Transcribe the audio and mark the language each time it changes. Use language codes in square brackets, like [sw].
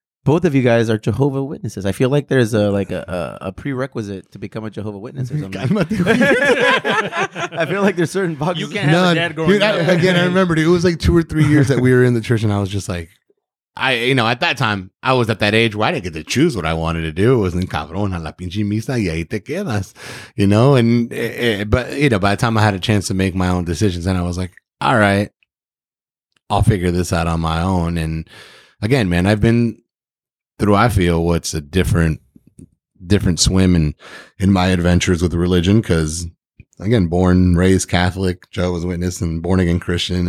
[en] Both of you guys are Jehovah Witnesses. I feel like there's a prerequisite to become a Jehovah Witness or something. I feel like there's certain boxes. You can't have a dad growing up. Again, I remember, dude, it was like 2 or 3 years that we were in the church, and I was just like, at that time, I was at that age where I didn't get to choose what I wanted to do. It was [es] en cabrón, a la pinche misa, y ahí te quedas. [en] You know, and by the time I had a chance to make my own decisions, and I was like, all right, I'll figure this out on my own. And again, man, I've been through, I feel, what's a different swim in my adventures with religion, because, again, born, raised Catholic, Jehovah's Witness, and born again Christian.